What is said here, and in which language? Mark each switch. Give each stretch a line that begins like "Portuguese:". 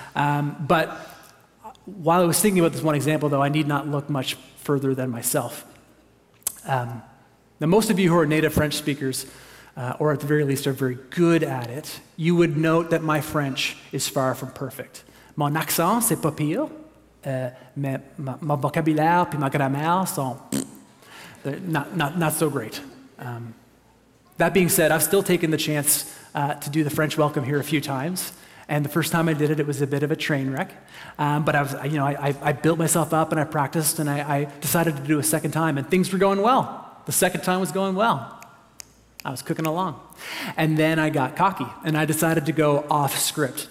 English: But while I was thinking about this one example, though, I need not look much further than myself. Now, most of you who are native French speakers, or at the very least are very good at it, you would note that my French is far from perfect.
French: Mon accent, c'est pas pire, mais mon vocabulaire puis ma grammaire sont
English: not so great. That being said, I've still taken the chance to do the French welcome here a few times. And the first time I did it, it was a bit of a train wreck. But I was, you know, I built myself up and I practiced and I decided to do a second time and things were going well. The second time was going well. I was cooking along. And then I got cocky and I decided to go off script.